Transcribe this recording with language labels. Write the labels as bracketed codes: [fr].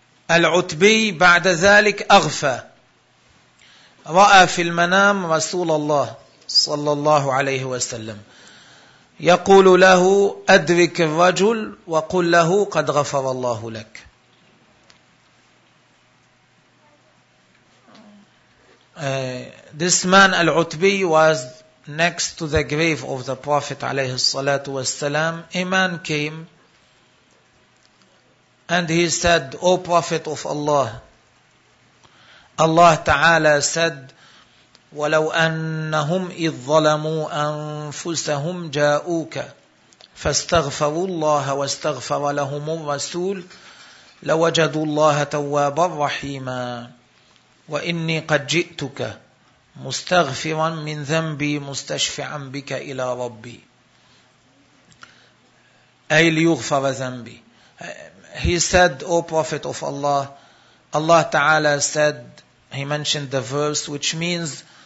[ar] العتبي بعد ذلك أغفى, رأى في المنام رسول الله صلى الله عليه وسلم يقول له أدرك الرجل وقل له قد غفر الله لك. [en] This man العتبي was next to the grave of the Prophet [ar] عليه الصلاة والسلام. [en] A man came and he said, O Prophet of Allah, Allah تعالى said, [ar] وَلَوْ أَنَّهُمْ إِذْ ظَلَمُوا أَنفُسَهُمْ جَاءُوكَ فاستغفروا الله واستغفر لهم الرسول لوجدوا الله توابا رحيما. وإني قد جئتك مستغفرا من ذنبي مستشفعا بك إلى ربي، أي ليغفر ذنبي. [en] He said, O Prophet of Allah, Allah Ta'ala said, He mentioned the verse which means